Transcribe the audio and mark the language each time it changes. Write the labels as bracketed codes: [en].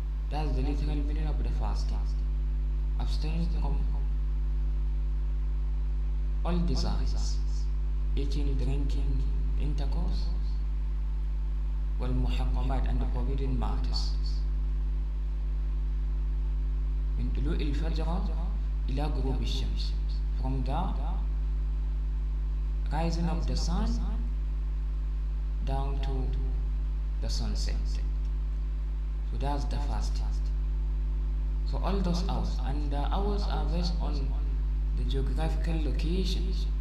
[en] That's the literal meaning of the fasting. Abstaining from all desires, eating, drinking, intercourse, [ar] والمحرمات [en] and the forbidden matters. [ar] من طلوع الفجر إلى غروب الشمس. [en] From that, rising of the sun down to the sunset. So that's the fastest. So all those hours, and the hours are based on the geographical location.